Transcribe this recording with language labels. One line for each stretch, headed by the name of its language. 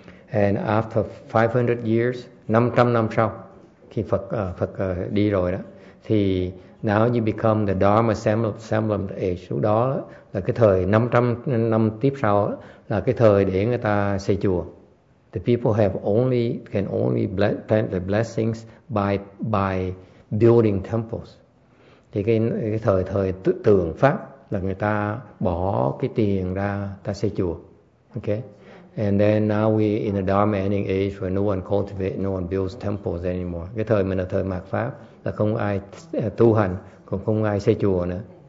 English: And after 500 years,
Vietnamese: 500 năm sau, khi Phật đi rồi đó, thì
English: now you become the Dharma Semblant Age,
Vietnamese: lúc đó là cái thời 500 năm tiếp sau, đó, là cái thời để người ta xây chùa.
English: The people can only plant the blessings by building temples.
Vietnamese: Thì cái thời tượng pháp là người ta bỏ cái tiền ra ta xây chùa.
English: Okay. And then now we in the Dharma ending age where no one cultivate, no one builds temples anymore.
Vietnamese: Cái thời mình là thời mạt pháp, là không ai tu hành, cũng không ai xây chùa nữa.